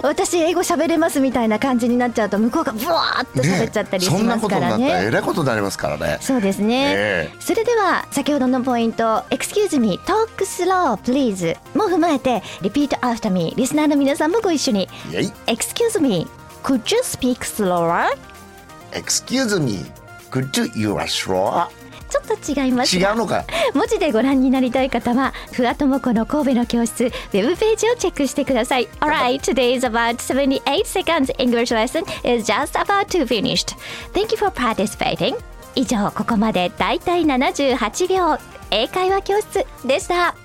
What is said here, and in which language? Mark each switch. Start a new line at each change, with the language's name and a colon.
Japanese: 私英語喋れますみたいな感じになっちゃうと向こうがブワーッと喋っちゃったりしますからね、そんなことになったら偉いことになりますからね。そうですね、それでは先ほどのポイント、
English: Excuse me, talk slow, please
Japanese: も踏まえて
English: Repeat after me、
Japanese: リスナーの皆さんもご一緒に、
English: Excuse me, could you speak slower? Excuse me, could you you are slower?
Japanese: ちょっと違いますが、違うのか、文字でご覧になりたい方はふわともこの神戸の教室ウェブページをチェックしてください。
English: Alright, today's about 78 seconds English lesson is just about to finished. Thank you for participating.
Japanese: 以上、ここまでだいたい78秒英会話教室でした。